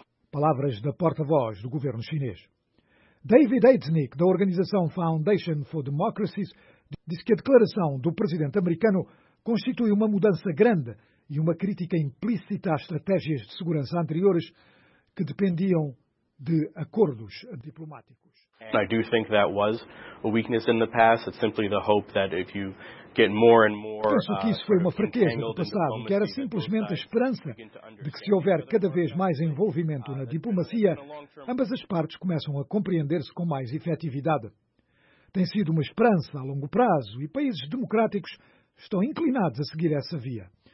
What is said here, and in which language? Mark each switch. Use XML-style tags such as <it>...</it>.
<pt>Palavras da porta-voz do governo chinês. David Eidsnick, da organização Foundation for Democracies, disse que a declaração do presidente americano constitui uma mudança grande e uma crítica implícita às estratégias de segurança anteriores que dependiam de acordos diplomáticos.</pt> <en>I do think that was a weakness in the past. It's simply the hope that if you get more and more.</en> <pt>Penso que isso foi uma fraqueza do passado, que era simplesmente a esperança de que, se houver cada vez mais envolvimento na diplomacia, ambas as partes começam a compreender-se com mais efetividade. Tem sido uma esperança a longo prazo e países democráticos estão inclinados a seguir essa via.</pt>